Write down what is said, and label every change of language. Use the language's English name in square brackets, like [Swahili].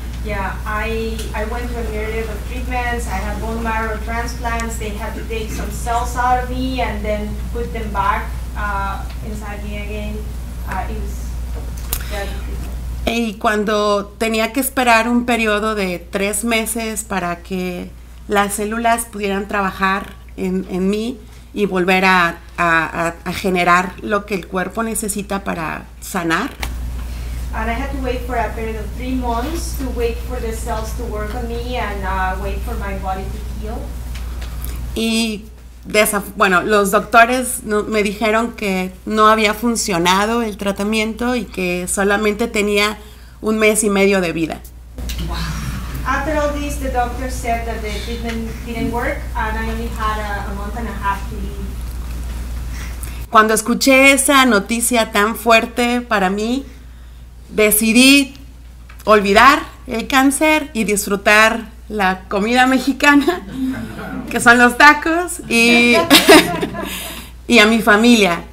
[English] Yeah, I went to a myriad of treatments, I had bone marrow transplants, they had to take some cells out of me and then put them back inside me again. It was very. [Spanish] Y cuando tenía que esperar un periodo de 3 meses para que las células pudieran trabajar en mí y volver a generar lo que el cuerpo necesita para sanar. [English] And I had to wait for a period of 3 months to wait for the cells to work on me and wait for my body to heal. [Spanish] Y bueno, los doctores me dijeron que no había funcionado el tratamiento y que solamente tenía 1 mes y medio de vida. [English] After all this, the doctor said that the treatment didn't work and I only had a month and a half to live. [Spanish] Cuando escuché esa noticia tan fuerte para mí, decidí olvidar el cáncer y disfrutar la comida mexicana, que son los tacos, y a mi familia.